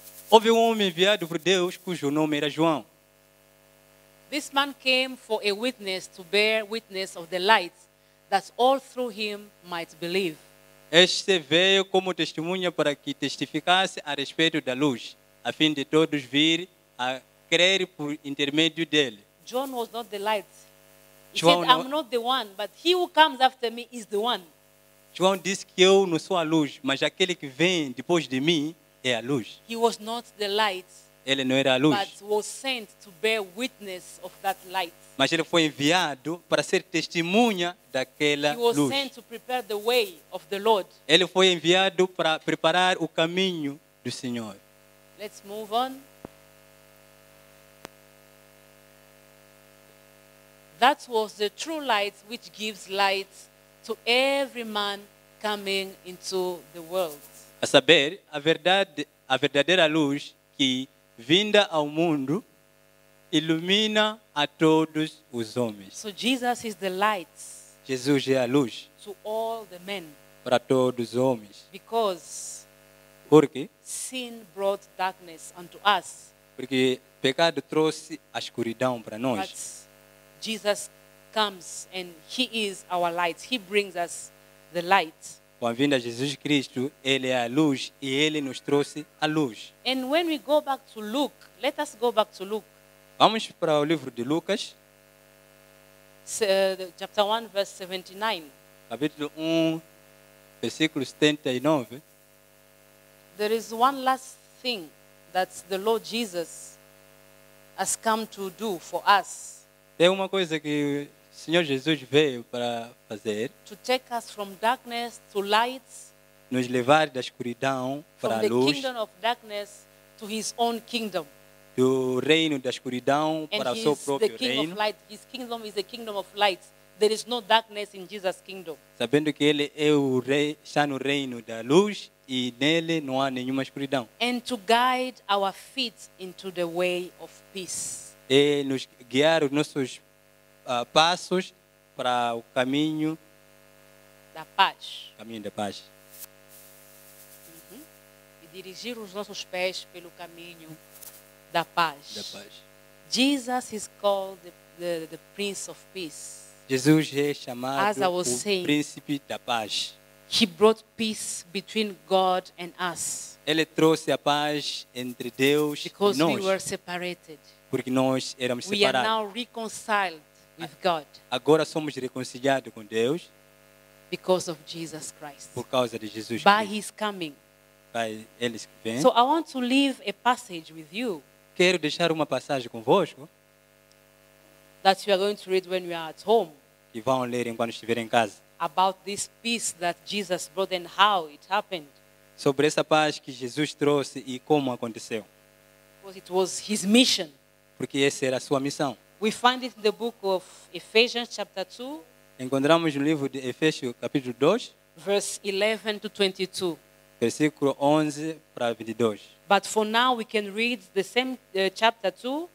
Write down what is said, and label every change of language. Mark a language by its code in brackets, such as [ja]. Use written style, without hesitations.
[pt] Houve homem enviado por Deus cujo nome era João. [en] This man came for a witness to bear witness of the light that all through him might believe. [pt] Este veio como testemunha para que testificasse a respeito da luz, a fim de todos vir a crer por intermédio dele. [en] John was not the light. He said, I'm not the one, but he who comes after me is the one. [pt] João disse que eu não sou a luz, mas aquele que vem depois de mim é a luz. [en] He was not the light. [pt] Ele não era a luz. [en] But was sent to bear witness of that light. [pt] Mas ele foi enviado para ser testemunha daquela [en] he was [pt] luz. [en] Sent to prepare the way of the Lord. [pt] Ele foi enviado para preparar o caminho do Senhor. [en] Let's move on. That was the true light which gives light to every man coming into the world. [pt] A saber, a verdadeira luz que vinda ao mundo ilumina a todos os homens. [en] So Jesus is the light. [pt] Jesus é a luz. [en] To all the men. [pt] Para todos os homens. [en] Because. [pt] Porque. [en] Sin brought darkness unto us. [pt] Porque pecado trouxe a escuridão para nós. [en] But Jesus comes and he is our light. He brings us the light. [pt] Com a vinda de Jesus Cristo, ele é a luz e ele nos trouxe a luz. [en] And when we go back to Luke, let us go back to Luke. [pt] Vamos para o livro de Lucas. So, [en] chapter 1, verse 79. [pt] Capítulo 1, versículo 79. [en] There is one last thing that the Lord Jesus has come to do for us. [pt] Tem uma coisa que o Senhor Jesus veio para fazer. [en] To take us from darkness to light. [pt] Nos levar da escuridão para a luz. [en] From the kingdom of darkness to his own kingdom. [pt] Do reino da escuridão [en] and [pt] para o seu próprio [en] the king [pt] reino. [en] Of light. His kingdom is the kingdom of light. There is no darkness in Jesus' kingdom. [pt] Sabendo que ele é o rei, está no reino da luz e nele não há nenhuma escuridão. [en] And to guide our feet into the way of peace. [pt] E nos guiar os nossos passos para o caminho da paz. Caminho da paz. Uhum. E dirigir os nossos pés pelo caminho da paz. Da paz. [en] Jesus is called the Prince of Peace. [pt] Jesus é chamado o Príncipe da Paz. [en] He brought peace between God and us. [pt] Ele trouxe a paz entre Deus e nós. [en] Because we were separated. [pt] Porque nós éramos separados. [en] We are now reconciled with God. [pt] Agora somos reconciliados com Deus. [en] Because of Jesus Christ. [pt] Por causa de Jesus [en] Cristo. By His coming. [pt] By Ele que vem. [en] So I want to leave a passage with you. [pt] Quero deixar uma passagem convosco. [en] That you are going to read when you are at home. [pt] Que vão ler enquanto estiverem em casa. [en] About this peace that Jesus brought and how it happened. [pt] Sobre essa paz que Jesus trouxe e como aconteceu. [en] Because it was His mission. [pt] Porque essa era a sua missão. [en] We find it in the book of Ephesians chapter 2. [pt] Encontramos no livro de Efésios capítulo 2. [en] Verse 11 to 22. [pt] Versículo 11 para 22. [en] But for now we can read the same chapter 2.